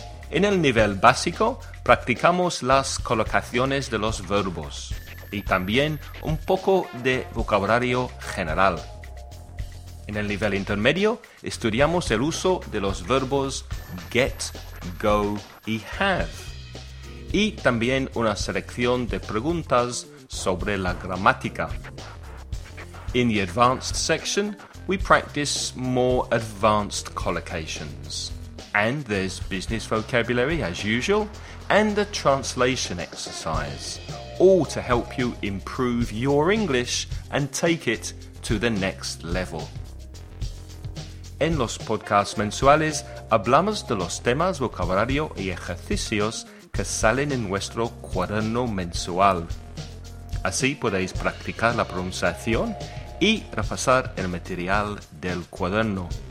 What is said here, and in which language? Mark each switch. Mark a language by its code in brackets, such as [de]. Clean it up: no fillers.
[es] En el nivel básico, practicamos las colocaciones de los verbos y también un poco de vocabulario general. En el nivel intermedio, estudiamos el uso de los verbos get, go y have. Y también una selección de preguntas sobre la gramática. [en] In the advanced section, we practice more advanced collocations. And there's business vocabulary as usual, and a translation exercise, all to help you improve your English and take it to the next level. [es] En los podcasts mensuales hablamos de los temas, vocabulario y ejercicios que salen en nuestro cuaderno mensual. Así podéis practicar la pronunciación y repasar el material del cuaderno.